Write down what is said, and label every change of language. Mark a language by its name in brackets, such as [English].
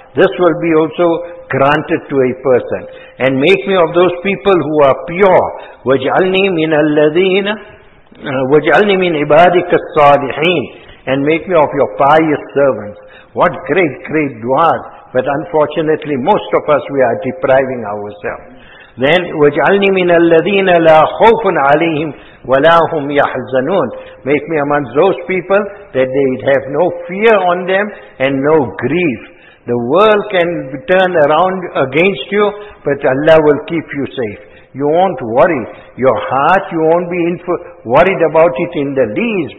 [English] This will be also granted to a person. And make me of those people who are pure. [Arabic] وَجْعَلْنِي مِنَ الَّذِينَ وَجْعَلْنِي مِنْ عِبَادِكَ الصَّالِحِينَ. [English] And make me of your pious servants. What great, great du'as. But unfortunately, most of us, we are depriving ourselves. Then, [Arabic] وَجْعَلْنِي مِنَ الَّذِينَ لَا خَوْفٌ عَلَيْهِمْ وَلَا هُمْ يَحْزَنُونَ. [English] Make me amongst those people that they have no fear on them and no grief. The world can turn around against you, but Allah will keep you safe. You won't worry. Your heart, you won't be worried about it in the least.